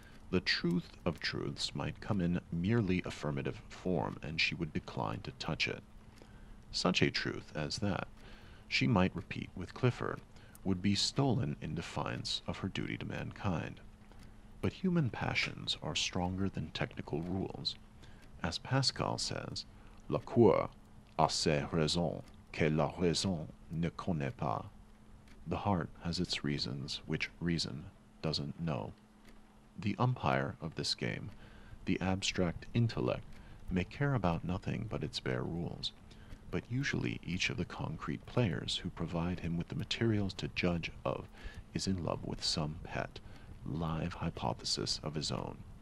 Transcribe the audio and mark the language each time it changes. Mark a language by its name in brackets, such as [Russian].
[English] The truth of truths might come in merely affirmative form, and she would decline to touch it. Such a truth as that, she might repeat with Clifford, would be stolen in defiance of her duty to mankind. But human passions are stronger than technical rules. [French] As Pascal says, la cour a ses raisons que la raison ne connaît pas. [English] The heart has its reasons which reason doesn't know. The umpire of this game, the abstract intellect, may care about nothing but its bare rules. But usually each of the concrete players who provide him with the materials to judge of is in love with some pet, live hypothesis of his own.